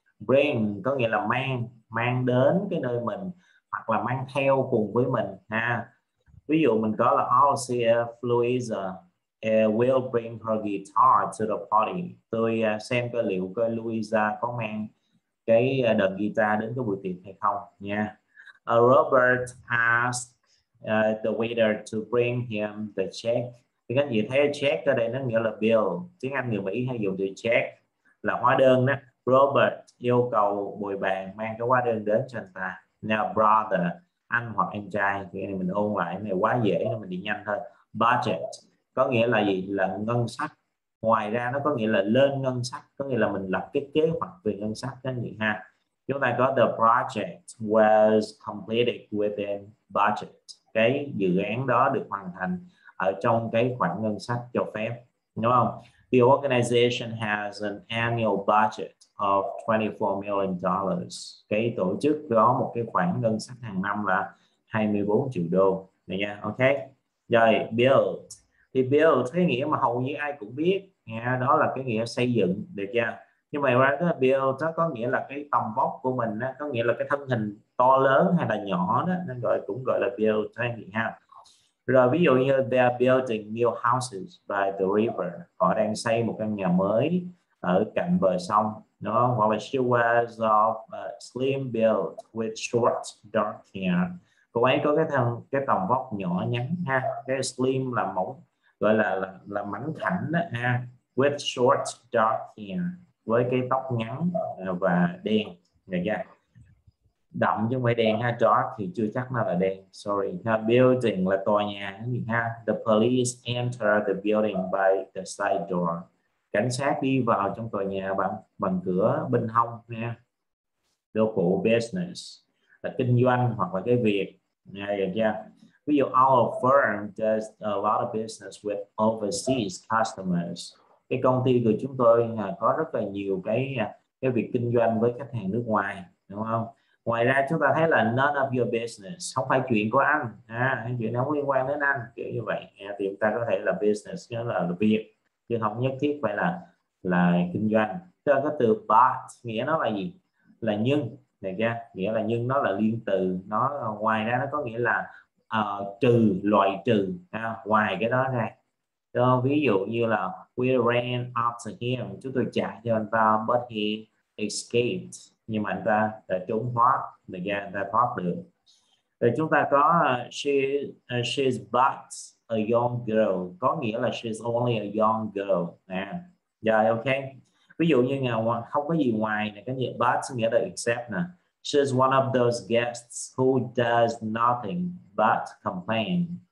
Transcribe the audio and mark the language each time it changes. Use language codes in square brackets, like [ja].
[vi] Bring có nghĩa là mang, mang đến cái nơi mình hoặc là mang theo cùng với mình ha. Ví dụ mình có là [en] I'll see Louisa will bring her guitar to the party. [vi] Tôi xem cái liệu cái Louisa có mang cái đờn guitar đến cái buổi tiệc hay không nha. [en] Robert asked the waiter to bring him the check. [vi] Thì các gì thấy check ở đây nó nghĩa là bill. Tiếng Anh người Mỹ hay dùng từ check là hóa đơn đó. Robert yêu cầu bồi bàn mang cái hóa đơn đến cho anh ta. Now brother, anh hoặc em trai. Thì này mình ôn lại, cái này quá dễ nên mình đi nhanh thôi. Budget có nghĩa là gì? Là ngân sách. Ngoài ra nó có nghĩa là lên ngân sách, có nghĩa là mình lập cái kế hoạch về ngân sách cái gì ha. Chúng ta có [en] the project was completed within budget. [vi] Cái dự án đó được hoàn thành ở trong cái khoản ngân sách cho phép, đúng không? [en] The organization has an annual budget of 24 million dollars. [vi] Cái tổ chức có một cái khoản ngân sách hàng năm là 24 triệu đô. Này nha, ok. Rồi, build. Thì build cái nghĩa mà hầu như ai cũng biết nha, đó là cái nghĩa xây dựng, được chưa? Nhưng mà ra cái build nó có nghĩa là cái tầm vóc của mình á, có nghĩa là cái thân hình to lớn hay là nhỏ đó, nên gọi cũng gọi là build cái gì ha. Rồi ví dụ như [en] they are building new houses by the river, [vi] họ đang xây một căn nhà mới ở cạnh bờ sông, đúng không? Hoặc là [en] she was of slim build with short dark hair. [vi] Cô ấy có cái tầm vóc nhỏ nhắn ha, cái slim là mỏng, gọi là mảnh khảnh đó ha, [en] with short dark hair, [vi] với cái tóc ngắn và đen, được chưa? Đậm chứ không phải đen ha, dark thì chưa chắc nó là đen, sorry. Now, building là tòa nhà gì ha. [en] The police enter the building by the side door. [vi] Cảnh sát đi vào trong tòa nhà bằng bằng cửa bên hông nha. Đồ phụ business là kinh doanh hoặc là cái việc nha, được chưa? [en] Ví dụ our firm does a lot of business with overseas customers. [vi] Cái công ty của chúng tôi có rất là nhiều cái việc kinh doanh với khách hàng nước ngoài, đúng không? Ngoài ra chúng ta thấy là [en] none of your business, [vi] không phải chuyện của anh, chuyện nó không liên quan đến anh, kiểu như vậy. Thì chúng ta có thể là business, nghĩa là việc, chứ không nhất thiết phải là kinh doanh. Chúng ta có từ but, nghĩa nó là gì? Là nhưng, này ra, nghĩa là nhưng nó là liên từ, nó ngoài ra nó có nghĩa là trừ, loại trừ, ngoài cái đó ra. Đó, ví dụ như là [en] we ran after him, [vi] chúng tôi chạy cho anh ta, [en] but he escaped. [vi] Nhưng mà anh ta đã trốn thoát, được ra anh ta thoát được. Rồi chúng ta có [en] she's but a young girl, [vi] có nghĩa là [en] she's only a young girl [vi] nè. Rồi ok, ví dụ như ngoài không có gì ngoài này, cái gì but nghĩa là except nè. [en] She's one of those guests who does nothing but complain.